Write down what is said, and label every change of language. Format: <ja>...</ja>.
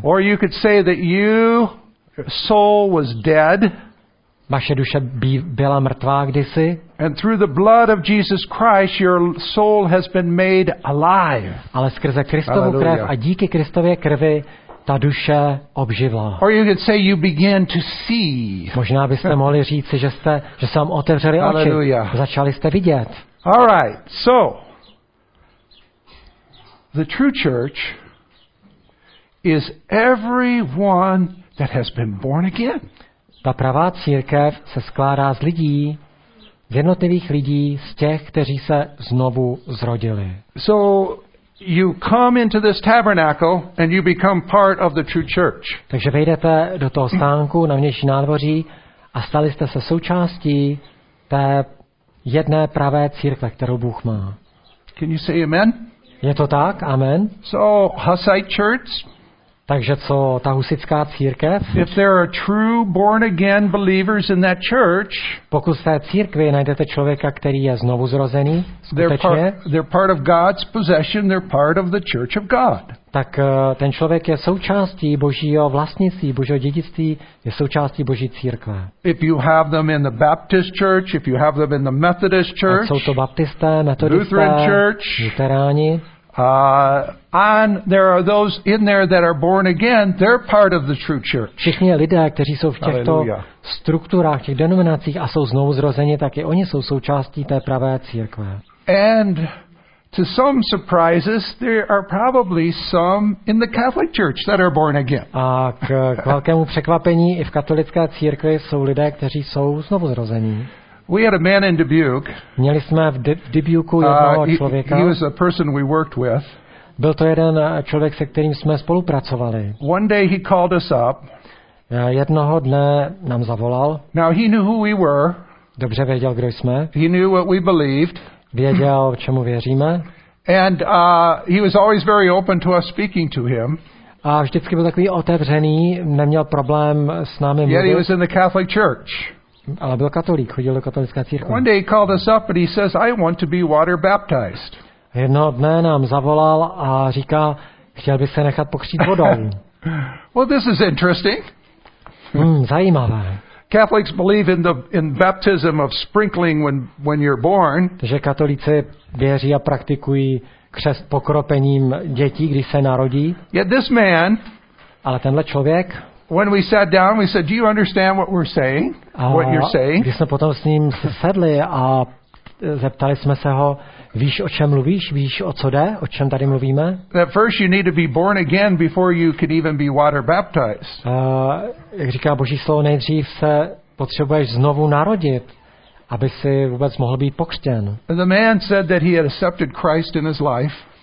<en>Or you could say that you, your soul was dead.</en> <cs>Vaše duše byla mrtvá kdysi.</cs> <en>And through the blood of Jesus Christ, your soul has been made alive.</en> <cs>Ale skrze Kristovu krev a díky Kristově krvi ta duše obživla.</cs> <en>Or you could say you began to see.</en> <cs>Možná byste mohli říci, že se vám otevřeli oči. Začali jste vidět.</cs> <en>All right, so the true church is everyone that has been born again.</en> <cs>Ta pravá církev se skládá z lidí, z jednotlivých lidí, z těch, kteří se znovu zrodili.</cs> <en>So you come into this tabernacle and you become part of the true church.</en> <cs>Takže vejdete do toho stánku na vnější nádvoří a stali jste se součástí té jedné pravé církve, kterou Bůh má.</cs> <en>Can you say amen?</en> <cs>Je to tak? Amen.</cs> <en>So Hussite church.</en> <cs>Takže co ta husitská církev?</cs> <en>If there are true born again believers in that church,</en> <cs>pokud v té církvi najdete člověka, který je znovu zrozený,</cs> <en>they're part of God's possession, they're part of the church of God.</en> <cs>Tak ten člověk je součástí Božího vlastnictví, Božího dědictví, je součástí Boží církve.</cs> <en>If you have them in the Baptist church, if you have them in the Methodist church,</en> <cs>jsou to baptisté, metodisté, luteráni.</cs> <en>And there are those in there that are born again, they're part of the true church.</en> <cs>Všichni lidé, kteří jsou v těchto Hallelujah. Strukturách, těch denominacích a jsou znovu zrozeni, tak i oni jsou součástí té pravé církve.</cs> <en>And to some surprises, there are probably some in the Catholic church that are born again.</en> <cs>A k velkému překvapení i v katolické církvi jsou lidé, kteří jsou znovu zrození.</cs> <en>We had a man in Dubuque.</en> <cs>Měli jsme v Dubuque jednoho člověka.</cs> <en>He was a person we worked with.</en> <cs>Byl to jeden člověk, se kterým jsme spolupracovali.</cs> <en>One day he called us up.</en> <cs>Jednoho dne nám zavolal.</cs> <en>Now he knew who we were.</en> <cs>Dobře věděl, kdo jsme.</cs> <en>He knew what we believed.</en> <cs>Věděl, čemu věříme.</cs> <en>And he was always very open to us speaking to him.</en> <cs>A vždycky byl takový otevřený, neměl problém s námi mluvit.</cs> <en>Yet he was in the Catholic church.</en> <cs>Ale byl katolík, chodil do katolické církve.</cs> <en>One day he called us up and he says, I want to be water baptized.</en> <cs>Jednoho dne nám zavolal a říká, chtěl by se nechat pokřít vodou.</cs> <en>Well, this is interesting.</en> <cs>Zajímavé.</cs> <en>Catholics believe in baptism of sprinkling when you're born.</en> <cs>Takže katolíci věří a praktikují křest pokropením dětí, když se narodí.</cs> <en>Yet this man,</en> <cs>ale tenhle člověk,</cs> <en>when we sat down, we said, do you understand what we're saying? What you're saying?</en> <cs>Když jsme potom s ním sedli a zeptali jsme se ho, víš, o čem mluvíš? Víš, o co jde? O čem tady mluvíme?</cs> <en>That first you need to be born again before you can even be water baptized.</en> <cs>Jak říká Boží slovo, nejdřív se potřebuješ znovu narodit, aby si vůbec mohl být pokřtěn.</cs> <en>The man said that he had accepted Christ in his life.</en>